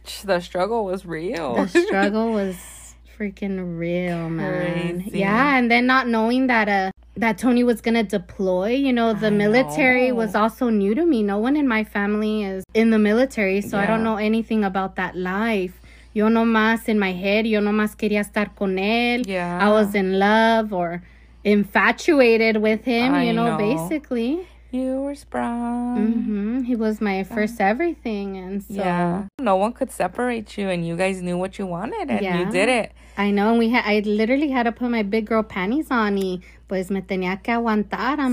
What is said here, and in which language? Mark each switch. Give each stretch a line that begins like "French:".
English: the struggle was real. The struggle was freaking real, man. Crazy. Yeah, and then not knowing that that Tony was gonna deploy, you know, the military was also new to me. No one in my family is in the military, so, yeah, I don't know anything about that life.
Spanish: Yo nomás
English: in my head,
Spanish: yo nomás quería estar con él.
English: Yeah. I was in love or infatuated with him, I know, basically. You were sprung. Mm-hmm. He was my first everything. And so, yeah, no one could separate you, and you guys knew what you wanted, and, yeah, you did it. I know. And I literally had to put my big girl panties on,
Spanish: y pues me tenía que aguantar.
English: I'm,